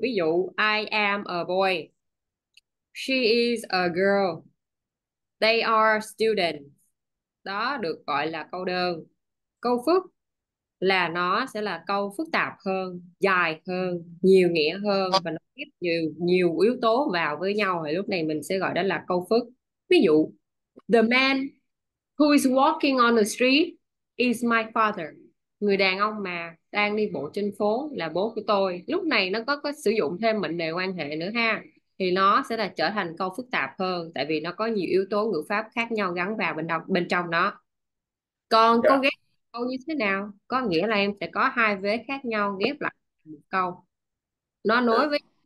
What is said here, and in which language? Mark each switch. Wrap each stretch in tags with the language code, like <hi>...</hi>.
<vi>Ví dụ</vi> <en>I am a boy, she is a girl, they are students.</en> <vi>Đó được gọi là câu đơn. Câu phức là nó sẽ là câu phức tạp hơn, dài hơn, nhiều nghĩa hơn và nó ghép nhiều nhiều yếu tố vào với nhau, thì lúc này mình sẽ gọi đó là câu phức. Ví dụ</vi> <en>the man who is walking on the street is my father.</en> <vi>Người đàn ông mà đang đi bộ trên phố là bố của tôi. Lúc này nó có sử dụng thêm mệnh đề quan hệ nữa ha. Thì nó sẽ là trở thành câu phức tạp hơn tại vì nó có nhiều yếu tố ngữ pháp khác nhau gắn vào bên trong nó. Còn câu ghép câu như thế nào? Có nghĩa là em sẽ có hai vế khác nhau ghép lại một câu. Nó nối với</vi>